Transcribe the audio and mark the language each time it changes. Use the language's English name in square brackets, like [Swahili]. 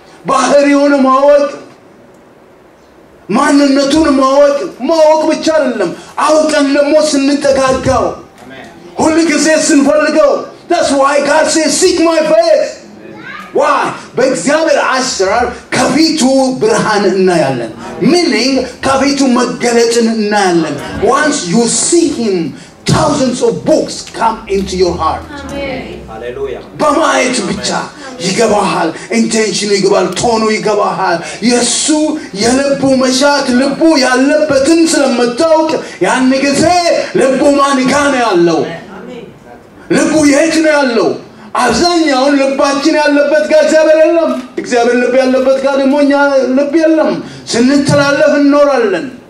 [Amharic] ባህሪውን ማወቅ ማንነቱን ማወቅ ማወቅ ብቻ አይደለም አውቀን ደግሞ ስንጠጋጋው ሁሉ ጊዜ ስንፈልገው [English] That's why God says seek my face. Why? [Amharic] በእግዚአብሔር አሰራር ከፊቱ ብርሃን እናያለን. Meaning ከፊቱ መገለጥን እናያለን. [English] Once you see him, thousands of books come into your heart. [Amharic] Amen. Hallelujah. በማየት ብቻ ይገባሃል. Intention ይገባል. ቶኑ ይገባሃል. የሱ የልቡ መሻት ልቡ ያለበትን ስለምታውቅ ያን ጊዜ ልቡ ማን ጋር ያለው? ልቡ የት ነው ያለው? አብዛኛውን ልባችን ያለበት ጋር እግዚአብሔር የለም። እግዚአብሔር ልብ ያለበት ጋር ደግሞ እኛ ልብ የለም። ስንተላለፍ እንኖራለን።